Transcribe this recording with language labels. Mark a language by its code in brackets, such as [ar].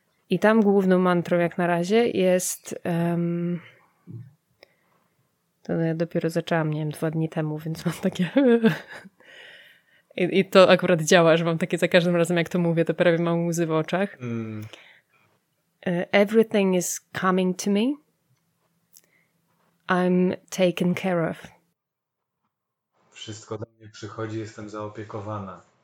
[pl] I tam główną mantrą jak na razie jest... to ja dopiero zaczęłam, nie wiem, 2 dni temu, więc mam takie... I to akurat działa, że mam takie za każdym razem, jak to mówię, to prawie mam łzy w oczach. [en] Everything is coming to me. I'm taken care of. [pl] Wszystko do mnie przychodzi, jestem zaopiekowana.